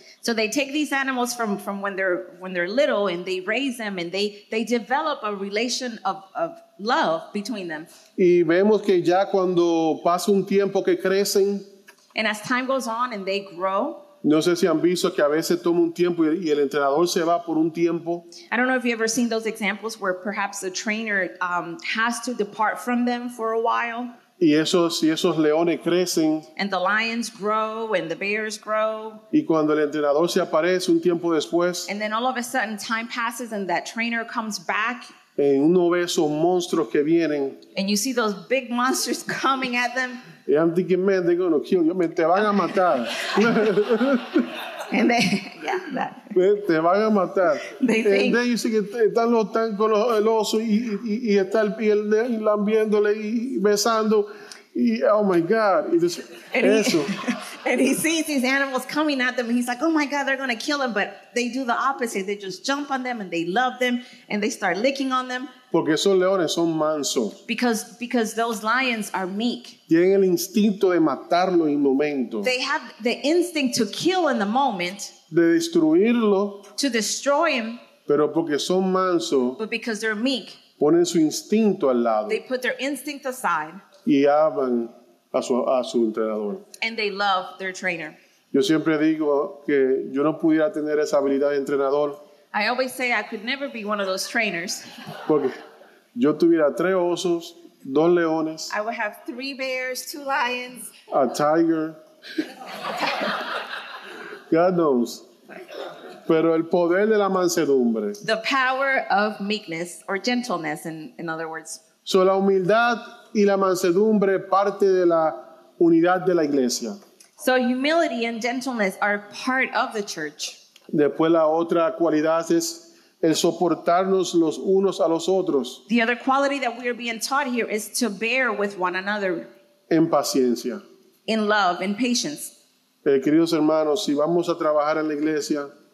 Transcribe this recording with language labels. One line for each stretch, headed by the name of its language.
English: So they take these animals from when they're little and they raise them and they develop a relation of love between them.
Spanish: Y vemos que ya cuando pasa un tiempo que crecen.
English: And as time goes on and they grow.
Spanish: No sé si han visto que a veces toma un tiempo y el entrenador se va por un tiempo.
English: I don't know if you've ever seen those examples where perhaps the trainer has to depart from them for a while.
Spanish: Y esos leones crecen.
English: And the lions grow and the bears grow.
Spanish: Y cuando el entrenador se aparece un tiempo después.
English: And then all of a sudden time passes and that trainer comes back.
Spanish: En uno ve esos monstruos que vienen.
English: And you see those big monsters coming at them. Y I'm thinking, man, they're going to kill you.
Spanish: Te van a matar.
English: And then, yeah, that.
Spanish: Te van a matar.
English: They think. And then you see
Spanish: que están los tancos, el oso, y está el lambiéndole y besando.
English: Y, oh, my God.
Spanish: Y dice,
English: and
Spanish: eso.
English: And he sees these animals coming at them. And he's like, oh, my God, they're going to kill him. But they do the opposite. They just jump on them, and they love them, and they start licking on them.
Spanish: Porque esos leones son mansos.
English: Because those lions are meek.
Spanish: Tienen el instinto de matarlo en el momento.
English: They have the instinct to kill in the moment.
Spanish: De destruirlo.
English: To destroy him.
Spanish: Pero porque son mansos.
English: But because they're meek.
Spanish: Ponen su instinto al lado.
English: They put their instinct aside.
Spanish: Y aman a su entrenador.
English: And they love their trainer.
Spanish: Yo siempre digo que yo no pudiera tener esa habilidad de entrenador.
English: I always say I could never be one of those trainers.
Spanish: Porque yo tuviera tres osos, dos leones.
English: I would have three bears, two lions. A tiger. God knows.
Spanish: Pero el poder de la mansedumbre.
English: The power of meekness or gentleness, in other words.
Spanish: So la humildad y la mansedumbre parte de la unidad de la iglesia.
English: So humility and gentleness are part of the church.
Spanish: Después la otra cualidad es el soportarnos los unos a los otros.
English: The other quality that we are being taught here is to bear with one another.
Spanish: En paciencia.
English: In love, in patience.
Spanish: Queridos hermanos, si vamos a trabajar en la iglesia.